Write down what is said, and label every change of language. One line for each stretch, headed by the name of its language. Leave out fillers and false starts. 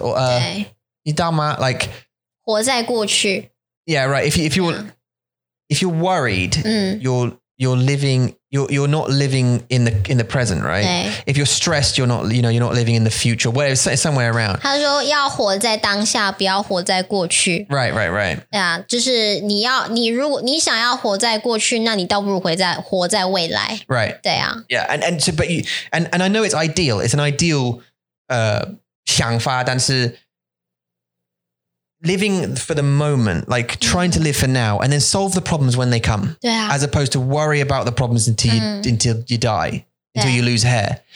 Chinese: Or, 你知道吗?Like, 活在过去.
English: Yeah, right. If you're worried, you're not living in the present, right? If you're stressed, you're not living in the future. Well, it's somewhere around.
Chinese: 他说要活在当下,
English: right, right, right.
Chinese: Yeah, 就是你想要活在过去, 那你倒不如活在未来。
English: Right.
Chinese: 对啊。
English: Yeah, and so, but you, and I know it's ideal. It's an ideal
Chinese: 想法, 但是
English: living for the moment, like trying to live for now and then solve the problems when they come, as opposed to worry about the problems until you die, until you lose hair.